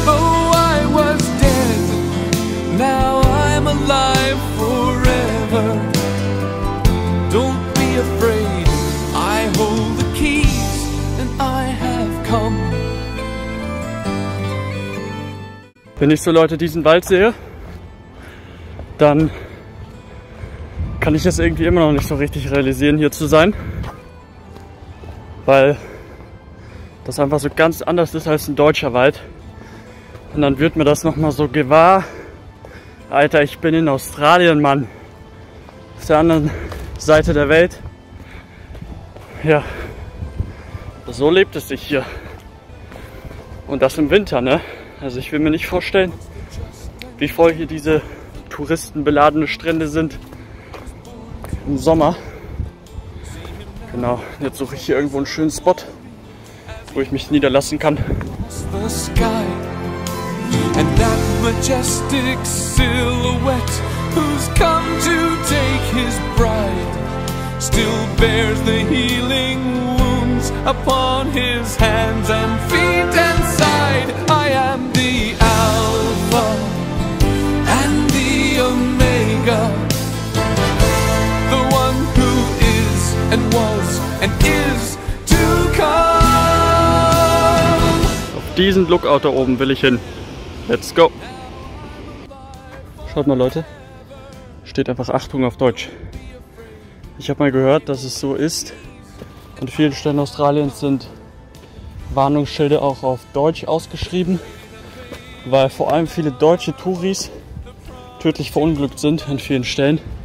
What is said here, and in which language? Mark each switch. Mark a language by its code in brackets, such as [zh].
[en] Oh, I was dead, now I'm alive forever. Don't be afraid, I hold the keys and I have come. [de] Wenn ich so Leute diesen Wald sehe, dann kann ich das irgendwie immer noch nicht so richtig realisieren, hier zu sein. Weil das einfach so ganz anders ist als ein deutscher Wald. Und dann wird mir das nochmal so gewahr. Alter, ich bin in Australien, Mann. Auf der anderen Seite der Welt. Ja, so lebt es sich hier. Und das im Winter, ne? Also ich will mir nicht vorstellen, wie voll hier diese touristenbeladene Strände sind im Sommer. Genau, jetzt suche ich hier irgendwo einen schönen Spot, wo ich mich niederlassen kann. [en] The sky and that majestic silhouette who's come to take his bride still bears the healing wounds upon his hands and feet and side. I am the Alpha and the Omega, the one who is and was and is to come. [de] Auf diesen Lookout da oben will ich hin. [en] Let's go. [de] Schaut mal, Leute. Steht einfach Achtung auf Deutsch. Ich habe mal gehört, dass es so ist. An vielen Stellen Australiens sind Warnungsschilder auch auf Deutsch ausgeschrieben, weil vor allem viele deutsche Touris tödlich verunglückt sind an vielen Stellen.